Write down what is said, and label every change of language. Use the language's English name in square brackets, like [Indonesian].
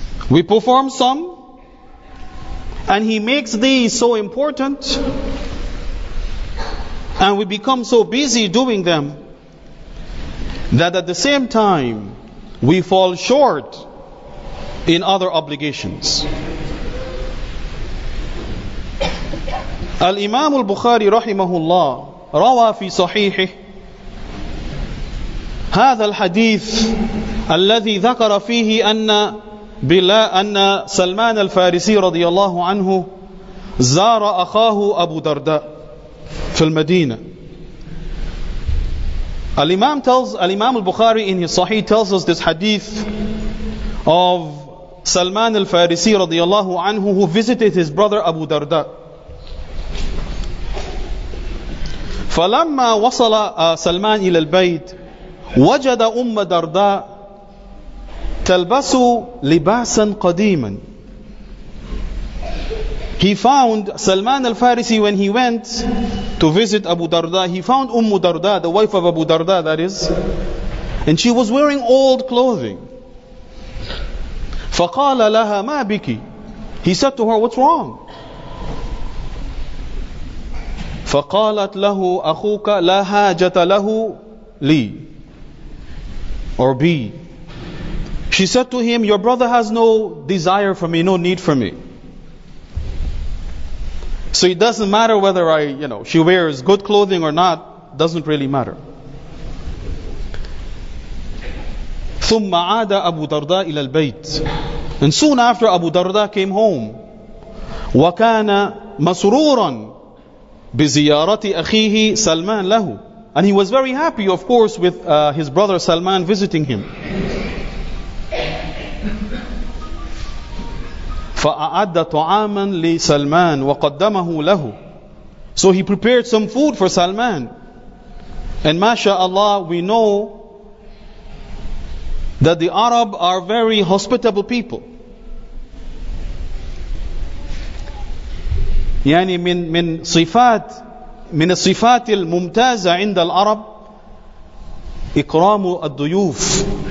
[English] We perform some, and he makes these so important, and we become so busy doing them, that at the same time, we fall short in other obligations. [Arabic] Al-Imam al-Bukhari rahimahullah rawa fi sahihih هذا الحديث الذي ذكر فيه أن بلا أن سلمان الفارسي رضي الله عنه زار أخاه أبو درداء في المدينة. [English] الإمام البخاري in his Sahih tells us this hadith of سلمان الفارسي رضي الله عنه who visited his brother أبو درداء. [Arabic] فلما وصل سلمان إلى البيت وجد أم درداء تلبس لباسا قديما. [English] He found Salman al-Farisi, when he went to visit Abu Darda, he found Umm Darda, the wife of Abu Darda, that is, and she was wearing old clothing. [Arabic] فقال لها ما بك. [English] He said to her, what's wrong? [Arabic] فقالت له أخوك لا حاجة له لي. Or B. [English] She said to him, your brother has no desire for me, no need for me. So it doesn't matter whether she wears good clothing or not, doesn't really matter. [Arabic] ثم عاد أبو درداء إلى البيت. [English] And soon after, Abu Darda came home. [Arabic] وكان مسرورا بزيارة أخيه سلمان له. [English] And he was very happy, of course, with his brother Salman visiting him. [Arabic] فَأَعَدَّ طُعَامًا لِسَلْمَانِ وَقَدَّمَهُ لَهُ. [English] So he prepared some food for Salman. And mashallah, we know that the Arab are very hospitable people. [Arabic] يعني من صفات من الصفات الممتازة عند العرب إكرام الضيوف.